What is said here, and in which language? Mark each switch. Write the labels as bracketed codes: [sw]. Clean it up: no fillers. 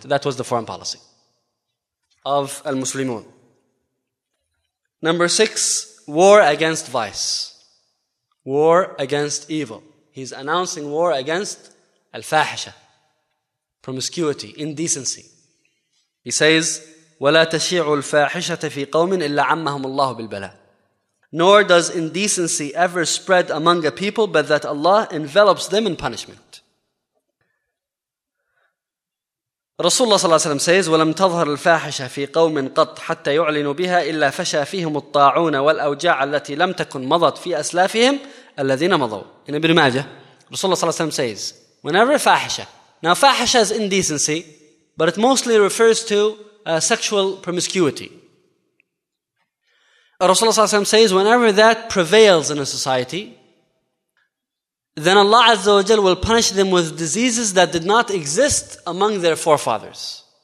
[en] That was the foreign policy of al-Muslimun. Number 6, war against vice. War against evil. He's announcing war against al-fahisha, promiscuity, indecency. He says, [ar] وَلَا تَشِيعُ الْفَاحِشَةَ فِي قَوْمٍ إِلَّا عَمَّهُمُ اللَّهُ بِالْبَلَاءِ. [en] Nor does indecency ever spread among a people but that Allah envelops them in punishment. Rasulullah sallallahu alayhi wa sallam says, [ar] وَلَمْ تَظْهَرْ الْفَاحِشَةَ فِي قَوْمٍ قَطْ حَتَّى يُعْلِنُوا بِهَا إِلَّا فَشَى فِيهُمُ الطَّاعُونَ وَالْأَوْجَاعَ الَّتِي لَمْ تَكُنْ مَضَتْ فِي أَسْلَافِهِمْ الَّذِينَ مَضَوْا. [en] In Ibn Majah, Rasulullah sallallahu alayhi wa sallam says, whenever fahisha, now fahisha is indecency, but it mostly refers to sexual promiscuity. Rasulullah ﷺ says, whenever that prevails in a society, then Allah Azza wa Jal will punish them with diseases that did not exist among their forefathers.